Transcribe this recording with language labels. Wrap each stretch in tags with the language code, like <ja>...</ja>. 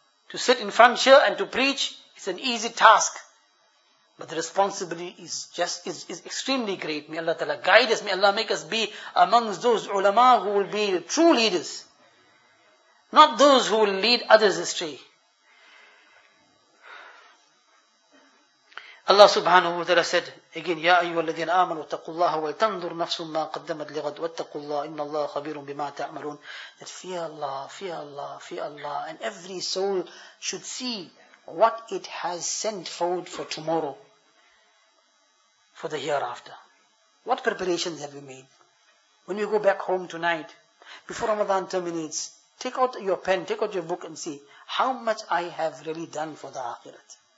<en>To sit in front here and to preach, it's an easy task. But the responsibility is extremely great. May Allah Ta'ala guide us. May Allah make us be amongst those ulama who will be true leaders. Not those who will lead others astray. Allah subhanahu wa ta'ala said, again,</en> <ar>يَا أَيُّهَا الَّذِينَ آمَنُوا اتَّقُوا اللَّهَ وَلْتَنْظُرْ نَفْسٌ مَّا قَدَّمَتْ لِغَدٍ وَاتَّقُوا اللَّهَ إِنَّ اللَّهَ خَبِيرٌ بِمَا تَعْمَلُونَ.</ar> <en>That fear Allah, fear Allah, fear Allah. And every soul should see what it has sent forward for tomorrow, for the hereafter. What preparations have you made? When you go back home tonight, before Ramadan terminates, take out your pen, take out your book and see how much I have really done for the akhirat.</en>